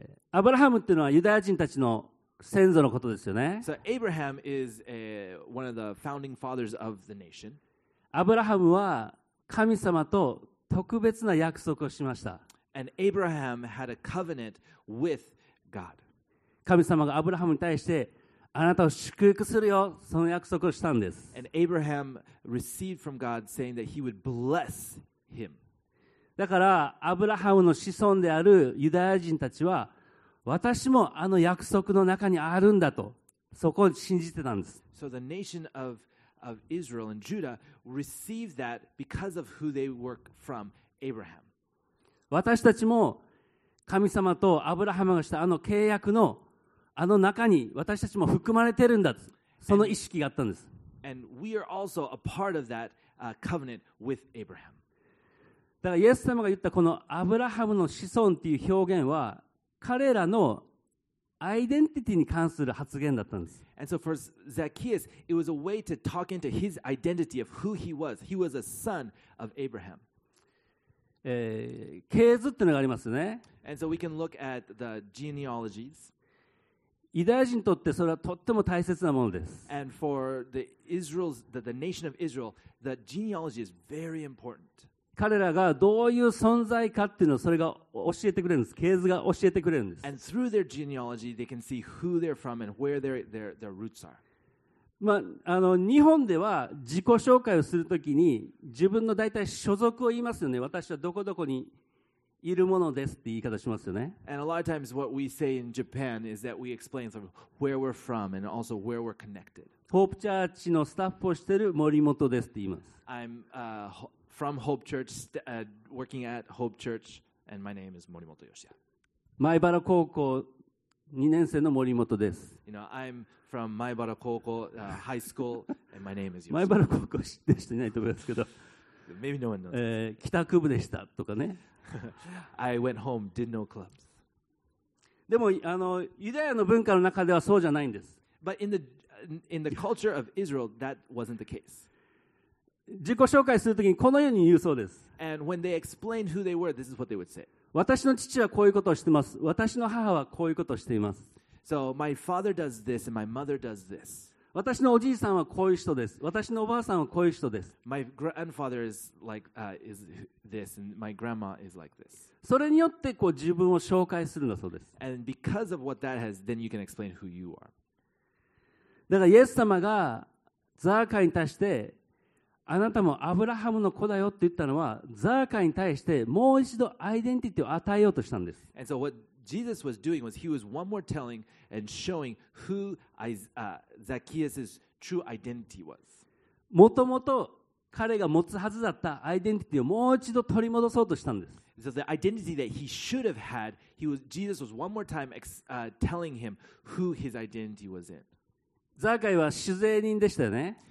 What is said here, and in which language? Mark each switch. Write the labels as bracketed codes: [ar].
[ja] アブラハムっていうのはユダヤ人たちの先祖のことですよね。 [en] So Abraham is one of the founding fathers of the nation. [ja] アブラハムは神様と特別な約束をしました。 [en] And Abraham had a covenant withGod. [ja] 神様がアブラハムに対してあなたを祝福するよ、その約束をしたんです。 [en] And Abraham received from God saying that he would bless him. [ja] だからアブラハムの子孫であるユダヤ人たちは私もあの約束の中にあるんだと、そこを信じてたんです。 [en] So the nation of Israel and Judah received that because of who they were from, Abraham. [ja] 私たちも神様とアブラハムがしたあの契約のあの中に私たちも含まれてるんだ、その意識があったんです。 [en] And we are also a part of that covenant with Abraham. [ja] だからイエス様が言ったこのアブラハムの子孫っていう表現は彼らのアイデンティティに関する発言だったんです。 [en] And so for Zacchaeus, it was a way to talk into his identity of who he was. He was a son of Abraham. [ja] 系図っていうのがありますね。 [en] And so we can look at the genealogies. [ja] ユダヤ人にとってそれはとっても大切なものです。 [en] And for the Israel's, the nation of Israel, the genealogy is very important. [ja] 彼らがどういう存在かっていうのをそれが教えてくれるんです。系図が教えてくれるんです。 [en] And through their genealogy, they can see who they're from and where their roots are. [ja] まあ、あの日本では自己紹介をするときに自分の大体所属を言いますよね。私はどこどこにいるものですって言い方しますよね。 [en] And a lot of times what we say in Japan is that we explain from where we're from and also where we're connected. [ja] Hope Church のスタッフをしている森本ですって言います。 [en] I'm from Hope Church, working at Hope Church, and my name is 森本義也。 [ja] 前原高校2年生の森本です。 [en] You know, I'm from 前原高校 high school, and my name is Yoshi. [ja] 前原高校知ってる人いないと思いますけど。 [en] Maybe no one knows. [ja] 帰宅部でしたとかね。 [en] I went home, didn't know clubs. [ja] でもあのユダヤの文化の中ではそうじゃないんです。 [en] But in the culture of Israel, that wasn't the case. [ja] 自己紹介するときにこのように言うそうです。 [en] And when they explained who they were, this is what they would say. [ja] 私の父はこういうことをしています。私の母はこういうことをしています。 [en] So my father does this and my mother does this. [ja] 私のおじいさんはこういう人です。私のおばあさんはこういう人です。 [en] My grandfather is like, is this, and my grandma is like this. [ja] それによってこう自分を紹介するのそうです。 [en] And because of what that has, then you can explain who you are. [ja] だからイエス様がザーカイに対してあなたもアブラハムの子だよって言ったのはザーカイに対してもう一度アイデンティティを与えようとしたんです。 [en] And so whatJesus was doing was he was one more telling and showing who Zacchaeus' true identity was. [ja] もともと彼が持つはずだったアイデンティティをもう一度取り戻そうとしたんです。 [en] So the identity that he should have had, he was, Jesus was one more time telling him who his identity was in. [ja] ザカイは主税人でしたよね。